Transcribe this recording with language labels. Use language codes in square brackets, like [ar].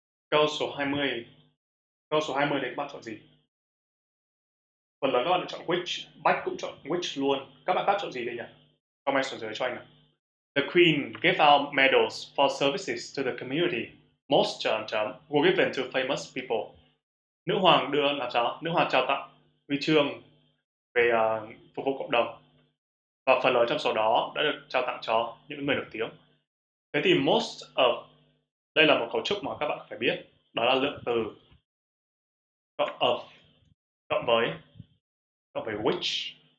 [vi] Câu số 20. Câu số 20 đấy các bạn chọn gì? Phần lớn các bạn được chọn which, Bách cũng chọn which luôn. Các bạn khác chọn gì đây nhỉ? Comment xuống dưới cho anh nào. [en] The Queen gave out medals for services to the community. Most [vi] chấm chấm [en] were given to famous people. [vi] Nữ hoàng đưa là sao? Nữ hoàng trao tặng huy chương về phục vụ cộng đồng. Và phần lớn trong số đó đã được trao tặng cho những người nổi tiếng. Thế thì most of đây là một cấu trúc mà các bạn phải biết, đó là lượng từ cộng of cộng với which.